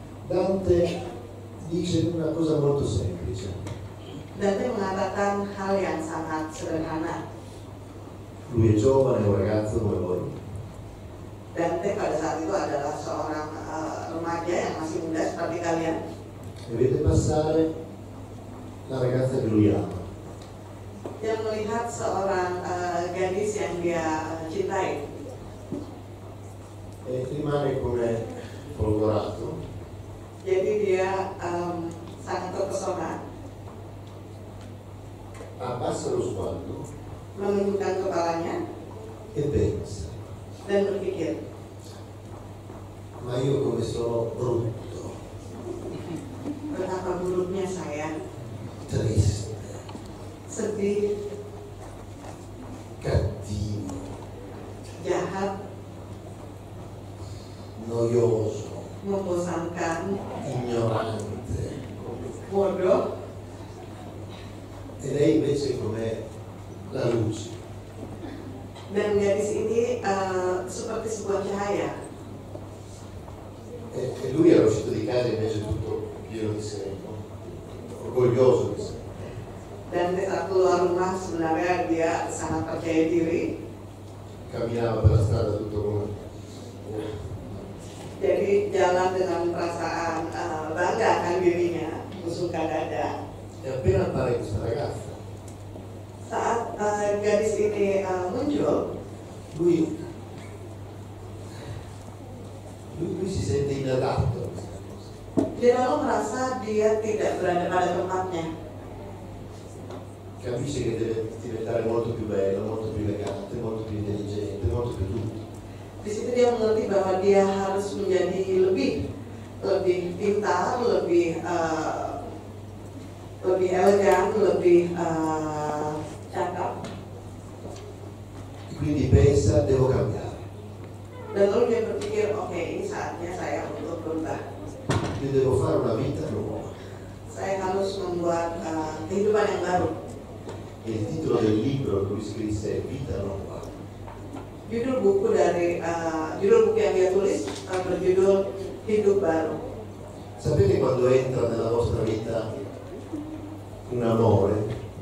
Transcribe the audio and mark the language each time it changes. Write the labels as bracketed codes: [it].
[it] Dante dice una cosa molto semplice. [id] Dante mengatakan hal yang sangat sederhana. [it] Lui è giovane, un ragazzo come voi. [id] Dante pada saat itu adalah seorang remaja yang masih muda seperti kalian. [it] E vede passare la ragazza che lui ama. [id] Yang melihat seorang gadis yang dia cintai. [it] E rimane come folgorato. [id] Jadi dia sangat terpesona. [it] Abbassa lo sguardo. [id] Menundukkan kepalanya. [it] E pensa. [id] Dan berpikir. [it] Ma io come sono brutto. [id] Betapa buruknya saya. [it] Triste. [id] Sedih. [it] Cattivo. [id] Jahat. [it] Noioso. [id] Membosankan. [it] Ignorante. [id] Bodoh. [it] E lei invece com'è? La luce. [id] Dan gadis ini seperti sebuah cahaya. [it] E lui era uscito di casa invece tutto pieno di sé, no? [id] Orgoglioso di sé. Dante saat keluar rumah sebenarnya dia sangat percaya diri. [it] Camminava per la strada tutto come. [id] Jadi jalan dengan perasaan bangga kan dirinya, suka dada. [it] E appena appare questa ragazza. [id] Saat gadis ini muncul. [it] Lui si sente inadatto. [id] Dia lalu merasa dia tidak berada pada tempatnya. [it] Capisce che deve diventare molto più bello, molto più elegante, molto più intelligente, molto più tutto. [id] Di situ dia mengerti bahwa dia harus menjadi lebih pintar, lebih elegan, lebih cakep. [it] Quindi pensa, devo cambiare. [id] Dan lalu dia berpikir, oke, ini saatnya saya untuk berubah. [it] Io devo fare una vita nuova. [id] Saya harus membuat kehidupan yang baru. [it] Il titolo del libro che lui scrisse è Vita Nuova. [id] Judul buku dari judul buku yang dia tulis berjudul Hidup Baru. [it] Sapete quando entra nella vostra vita un amore?